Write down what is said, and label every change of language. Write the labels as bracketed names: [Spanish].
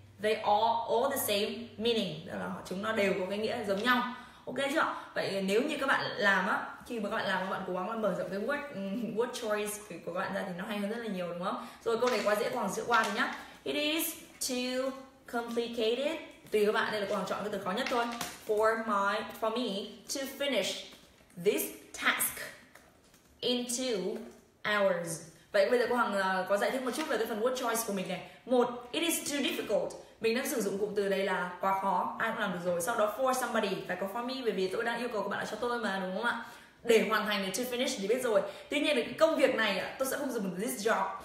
[English] They all the same meaning. [Vietnamese] Đó là chúng nó đều có cái nghĩa giống nhau. Ok chưa? Vậy nếu như các bạn làm á, khi mà các bạn làm các bạn cố gắng mở rộng cái word choice của các bạn ra thì nó hay hơn rất là nhiều đúng không? Rồi câu này quá dễ, Hoàng sẽ qua rồi nhá. [English] It is too complicated. [Vietnamese] Tùy các bạn, đây là cô Hoàng chọn cái từ khó nhất thôi. [English] For me to finish this task in 2 hours. [Vietnamese] Vậy bây giờ cô Hằng có giải thích một chút về cái phần word choice của mình này. Một, [English] it is too difficult. [Vietnamese] Mình đang sử dụng cụm từ đây là quá khó, ai cũng làm được rồi. Sau đó for somebody, phải có for me, bởi vì tôi đang yêu cầu các bạn là cho tôi mà, đúng không ạ? Để hoàn thành, to finish thì biết rồi. Tuy nhiên là cái công việc này tôi sẽ không dùng this job.